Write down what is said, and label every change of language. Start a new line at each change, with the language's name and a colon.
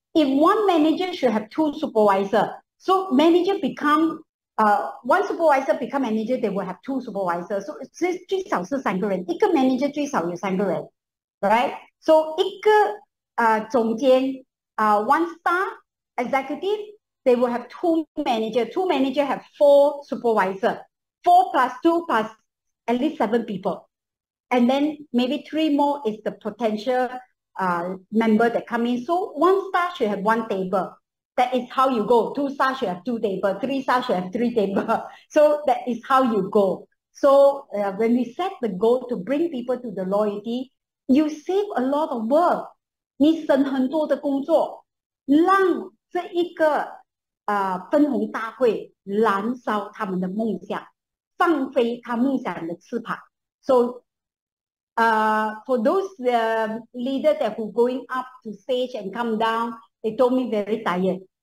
English: If one manager should have two supervisors, so manager become, one supervisor become manager, they will have two supervisors.
Chinese: So 至少是三个人, 一个manager 最少有三个人, right?
English: So
Chinese: 一个, 总监,
English: one star executive, they will have two manager. Two manager have four supervisor. Four plus two plus at least seven people. And then maybe three more is the potential member that come in. So one star should have one table. That is how you go. Two star should have two table. Three star should have three table. So that is how you go. So when we set the goal to bring people to the loyalty, you save a lot of work.
Chinese: 你省很多的工作, 让这一个 分红大会燃烧他们的梦想，放飞他梦想的翅膀.
English: So for those leaders that who going up to stage and come down, they told me very tired.